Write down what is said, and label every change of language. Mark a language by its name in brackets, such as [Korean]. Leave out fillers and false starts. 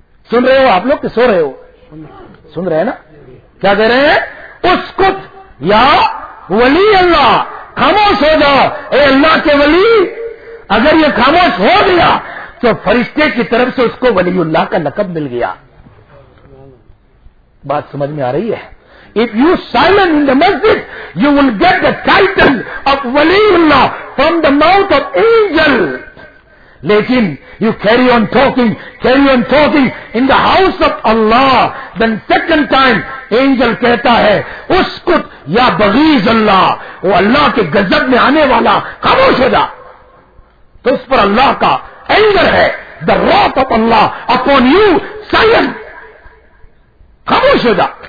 [Urdu] سن رہے ہو آپ لوگ کہ سو رہے ہو؟ سن رہے ہیں نا؟ کیا کہہ رہے ہیں؟ [Arabic] اسکت یا ولی اللہ [Urdu] خاموش ہو جاؤ اے اللہ کے ولی. اگر یہ خاموش ہو گیا تو فرشتے کی طرف سے اس کو ولی اللہ کا لقب مل گیا. بات سمجھ میں آ رہی ہے؟ [English] If you silent in the masjid, you will get the title of Waliullah from the mouth of angel. [Urdu] لیکن [English] you carry on talking in the house of Allah, then second time angel [Urdu] کہتا ہے [Arabic] اسکت یا بغیظ اللہ, [Urdu] وہ اللہ کے غضب میں آنے والا خاموش ہو جا. تو اس پر اللہ کا اینجل ہے, [English] the wrath of Allah upon you, silent, [Urdu] خاموش ہو جا.